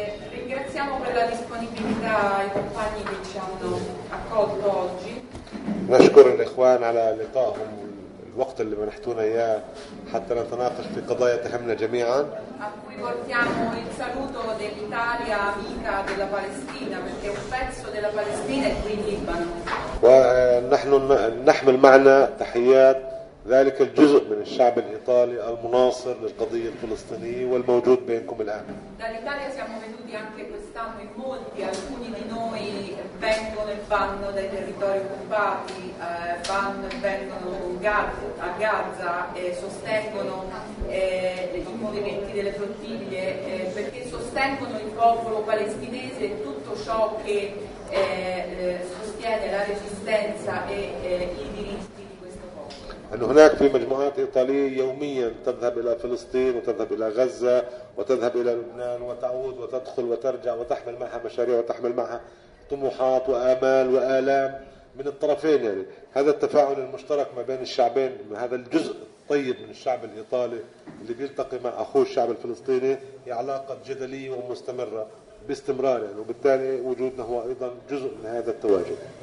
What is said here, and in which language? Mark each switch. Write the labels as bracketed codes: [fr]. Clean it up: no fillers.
[it] Ringraziamo per la disponibilità ai compagni che ci hanno accolto oggi. [ar] نشكر الإخوان على لقائهم الوقت اللي منحتونا إياه حتى نتناقش في قضايا تهمنا جميعا. [it] A cui portiamo il saluto dell'Italia amica della Palestina perché un pezzo della Palestina è qui in Libano. [ar] ونحن نحمل معنا تحيات ذلك الجزء من الشعب الإيطالي المناصر للقضية الفلسطينية والموجود بينكم الآن. [it] Dall'Italia siamo venuti anche quest'anno in molti, alcuni di noi vengono e vanno dai territori occupati, vanno e vengono a Gaza e sostengono i movimenti delle flottiglie perché sostengono il popolo palestinese e tutto ciò che sostiene la resistenza e i diritti. [ar] أن هناك في مجموعات إيطالية يوميا تذهب إلى فلسطين وتذهب إلى غزة وتذهب إلى لبنان وتعود وتدخل وترجع وتحمل معها مشاريع وتحمل معها طموحات وآمال وآلام من الطرفين، يعني هذا التفاعل المشترك ما بين الشعبين، هذا الجزء الطيب من الشعب الإيطالي اللي بيلتقي مع أخوه الشعب الفلسطيني هي علاقة جدلية ومستمرة باستمرار، يعني وبالتالي وجودنا هو أيضا جزء من هذا التواجد.